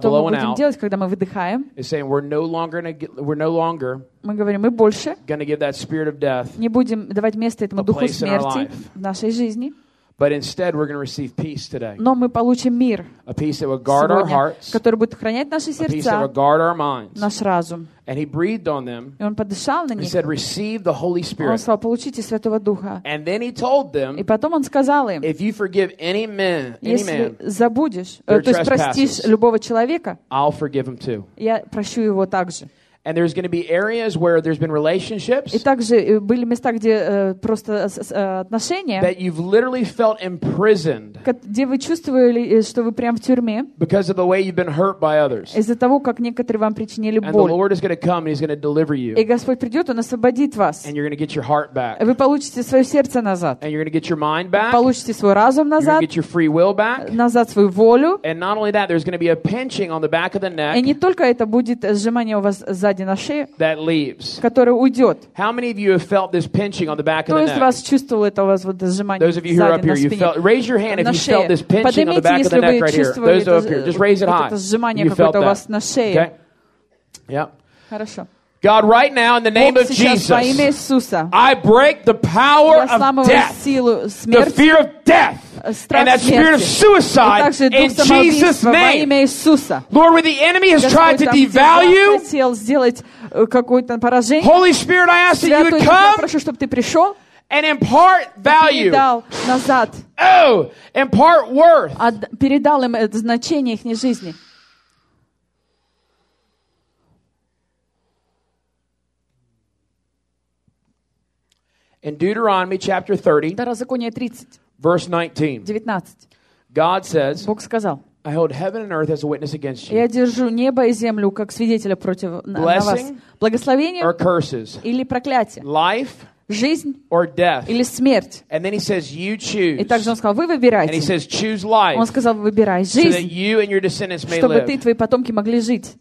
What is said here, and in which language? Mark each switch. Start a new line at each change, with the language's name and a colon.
Russian: Что мы будем делать, когда мы выдыхаем?
English: Is saying we're no longer.
Russian: Мы говорим, мы больше.
English: Gonna give that spirit of death.
Russian: Не будем давать место этому духу смерти в нашей жизни.
English: But instead, we're going to receive peace today.
Russian: Но мы получим мир.
English: A peace that will guard
Russian: сегодня,
English: our hearts.
Russian: Который будет охранять наши сердца.
English: A peace that will guard our minds.
Russian: Наш разум.
English: And he breathed on them.
Russian: И он подышал на них.
English: He said, "Receive the Holy Spirit."
Russian: Он сказал, получите Святого Духа.
English: And then he told them.
Russian: И потом он сказал им.
English: If you forgive any man,
Russian: забудешь, то есть простишь любого человека.
English: I'll forgive him too.
Russian: Я прощу его также.
English: And there's going to be areas where there's been relationships.
Russian: И также были места, где просто отношения.
English: That you've literally felt imprisoned.
Russian: Где вы чувствовали, что вы прям в тюрьме.
English: Because of the way you've been hurt by others.
Russian: Из-за того, как некоторые вам причинили боль.
English: And the Lord is going to come and He's going to deliver you.
Russian: И Господь придет, Он освободит вас.
English: And you're going to get your heart back.
Russian: Вы получите свое сердце назад.
English: And you're going to get your mind back.
Russian: Получите свой разум назад.
English: You're going to get your free will back.
Russian: Назад свою волю.
English: And not only that, there's going to be a pinching on the back of the neck.
Russian: И не только это будет сжимание у вас сзади.
English: That leaves.
Russian: Который уйдет.
English: How many of you have felt this pinching on the back of the neck?
Russian: Кто из вас чувствовал это у вас вот сжимание?
English: Those of you who are up here, you felt. Raise your hand if you felt this pinching on the back of the neck right here. Those up here, just raise it high.
Russian: Это сжимание какое-то у вас на шее.
English: Okay. Yep.
Russian: Хорошо.
English: God, right now, in the name of Jesus, I break the power of death, the fear of death, and that spirit of suicide in Jesus' name. Lord, where the enemy has tried to devalue, Holy Spirit, I ask that you would come and impart value. Oh, impart worth. In Deuteronomy chapter 30, verse 19, God says, I hold heaven and earth as a witness against you.
Russian: Я держу небо и землю как свидетеля против на вас. Благословение
English: or curses.
Russian: Или проклятие.
English: Life
Russian: жизнь
English: or death.
Russian: Или смерть.
English: And then he says, you choose.
Russian: И также он сказал, вы выбирайте.
English: And he says, choose life.
Russian: Он сказал, выбирай жизнь.
English: So that you and your descendants may
Russian: чтобы
English: live.
Russian: Ты и твои потомки могли жить.